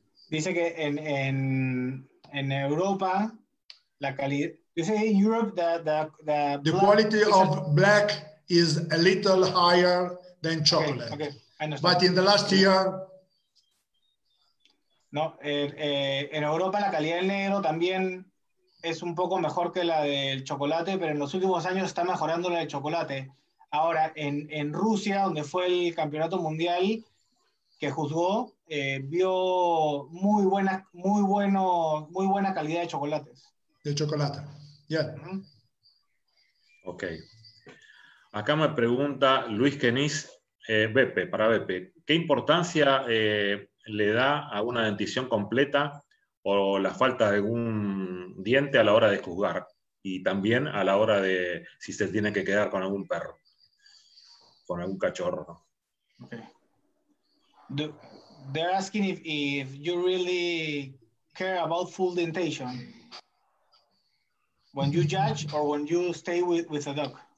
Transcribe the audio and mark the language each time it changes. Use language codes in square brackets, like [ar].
[es] Dice que en Europa la calidad. Dice en Europa the [en] quality of black is a little higher than chocolate. Okay, but in the last year. [es] No, en Europa la calidad del negro también es un poco mejor que la del chocolate, pero en los últimos años está mejorando la del chocolate. Ahora, en Rusia, donde fue el campeonato mundial que juzgó, vio muy buena calidad de chocolates. De chocolate, ya. Yeah. Uh-huh. Ok. Acá me pregunta Luis Kenis, Beppe, para Beppe, ¿qué importancia le da a una dentición completa o la falta de algún diente a la hora de juzgar? Y también a la hora de si se tiene que quedar con algún perro, con algún cachorro. Okay. [en] They're asking if you really care about full dentation when you judge or when you stay with a dog.